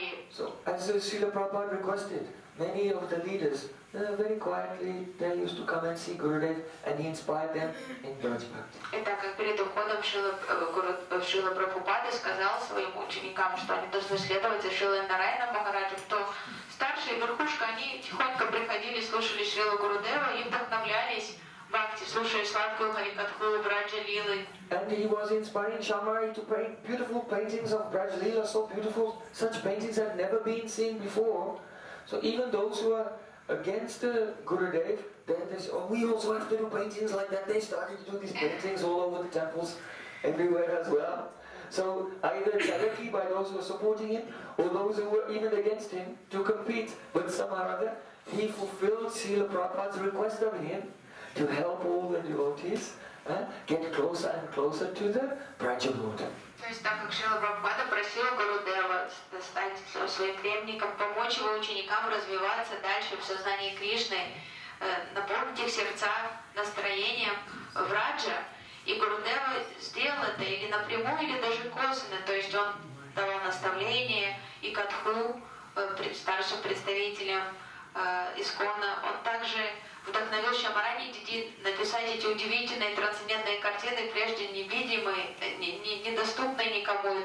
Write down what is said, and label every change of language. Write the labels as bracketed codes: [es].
[en] So, as Srila Prabhupada requested, many of the leaders, very quietly, they used to come and see Gurudev, and he inspired them in Braj Bhakti. [ru] И так как перед уходом Шрила Прабхупада сказал своим ученикам, что они должны следовать за Шрилой Нараяном Махараджем, то старшие верхушка, они тихонько приходили, слушали Шрилу Гурудева и вдохновлялись Бхакти, слушая сладкую харикатху Браджа Лилы. [en] And he was inspiring Shamari to paint beautiful paintings of Braj Lila, so beautiful, such paintings had never been seen before. So even those who are against the Gurudev, then they said, oh, we also have to do paintings like that. They started to do these paintings all over the temples, everywhere as well. So either directly by those who were supporting him, or those who were even against him, to compete. But somehow or other, he fulfilled Srila Prabhupada's request of him to help all the devotees get closer and closer to the Prajapati. [ru] То есть, так как Шрила Прабхупада просил Гурудева стать своим преемником, помочь его ученикам развиваться дальше в сознании Кришны, наполнить их сердца настроением в Раджа, и Гурудева сделал это или напрямую, или даже косвенно, то есть он давал наставление и Катху, старшим представителям Искона, он также вдохновил Шамарани Диди написать эти удивительные трансцендентные картины, прежде невидимые, недоступные никому.